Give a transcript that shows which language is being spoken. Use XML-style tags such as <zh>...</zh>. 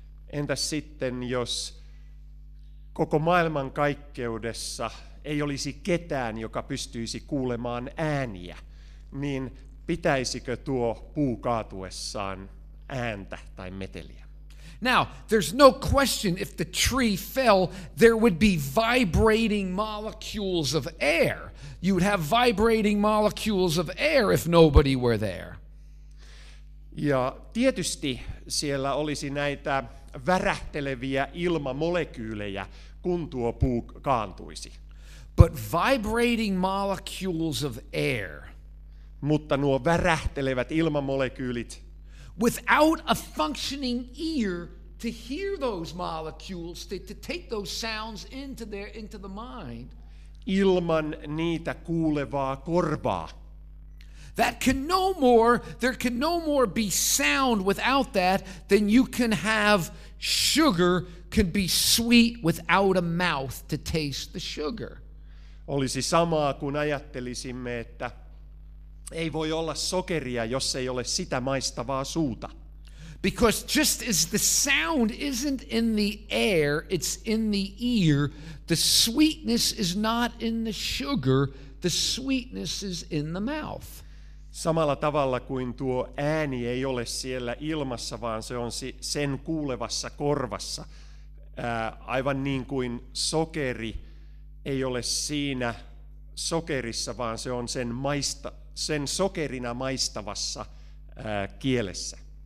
<fi>Entä sitten, jos koko maailman kaikkeudessa ei olisi ketään, joka pystyisi kuulemaan ääniä, niin pitäisikö tuo puu kaatuessaan ääntä tai meteliä?</fi> <en>Now, there's no question if the tree fell, there would be vibrating molecules of air. You would have vibrating molecules of air if nobody were there.</en> <fi>Ja tietysti siellä olisi näitä värähteleviä ilmamolekyylejä, kun tuo puu kaantuisi.</fi> <en>But vibrating molecules of air.</en> <fi>Mutta nuo värähtelevät ilmamolekyylit.</fi> <en>Without a functioning ear to hear those molecules, to take those sounds into the mind.</en> <fi>Ilman niitä kuulevaa korvaa.</fi> <en>That can no more, there can no more be sound without that than you can have sugar can be sweet without a mouth to taste the sugar.</en> <fi>Olisi samaa kuin ajattelisimme, että ei voi olla sokeria, jos ei ole sitä maistavaa suuta.</fi> <en>Because just as the sound isn't in the air, it's in the ear, the sweetness is not in the sugar, the sweetness is in the mouth.</en> <fi>Samalla tavalla kuin tuo ääni ei ole siellä ilmassa, vaan se on sen kuulevassa korvassa, aivan niin kuin sokeri ei ole siinä sokerissa, vaan se on sen sokerina maistavassa kielessä.</fi>